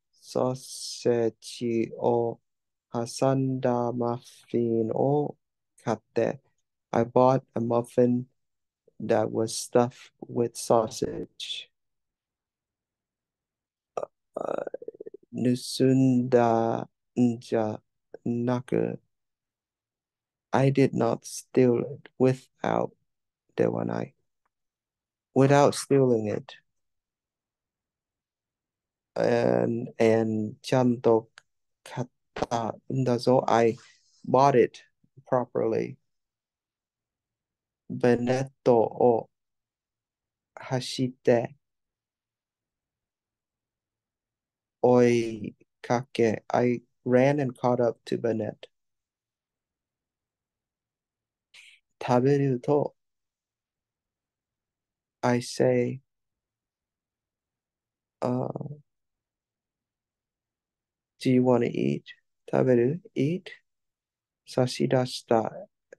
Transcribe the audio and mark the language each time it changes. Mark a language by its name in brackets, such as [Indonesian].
[Japanese] ソーセージを挟んだマフィンを買って、 [English] I bought a muffin that was stuffed with sausage. [Japanese] 盗んだんじゃなく、 [English] I did not steal it without, [Japanese] ではない。 [English] Without stealing it. [Japanese] And ちゃんと買ったんだぞ。 [English] I bought it properly. [Japanese] ベネットを走って追いかけ、 [English] I ran and caught up to ベネット。 [Japanese] 食べると、 [English] I say, Do you want to eat? [Japanese] 食べる? [English] Eat? [Japanese] 差し出した。